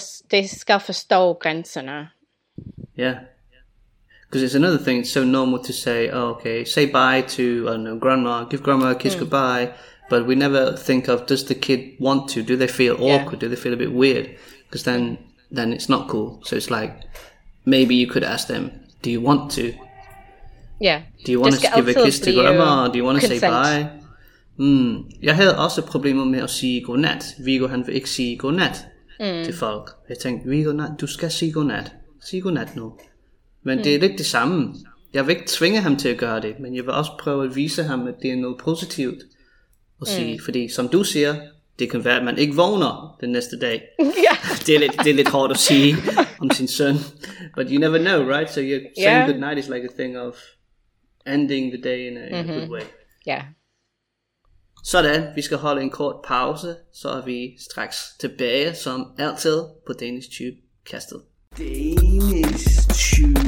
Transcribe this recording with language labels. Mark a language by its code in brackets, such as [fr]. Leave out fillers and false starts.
[da] Det skal forstå grænserne. [en] Yeah. Because it's another thing, it's so normal to say, oh, okay, say bye to, I don't know, grandma, give grandma a kiss goodbye. But we never think of, does the kid want to? Do they feel awkward? Yeah. Do they feel a bit weird? Because then it's not cool. So it's like, maybe you could ask them, do you want to? Yeah. Do you want to give a kiss to grandma? Do you want to say bye? [da] Jeg havde også problemer med at sige godnat. Vigo, han vil ikke sige godnat til folk. Jeg tænkte, Vigo, nej, du skal sige godnat. Sige godnat nu. Men det er lidt det samme. Jeg vil ikke tvinge ham til at gøre det, men jeg vil også prøve at vise ham, at det er noget positivt at sige. Fordi som du siger, det kan være, at man ikke vågner den næste dag. det er lidt hårdt at sige om sin søn. [en] But you never know, right? So you're saying good night is like a thing of ending the day in a good way. Yeah. [da] Sådan, vi skal holde en kort pause, så er vi straks tilbage som altid på Danish Tube Castle. [en] Danish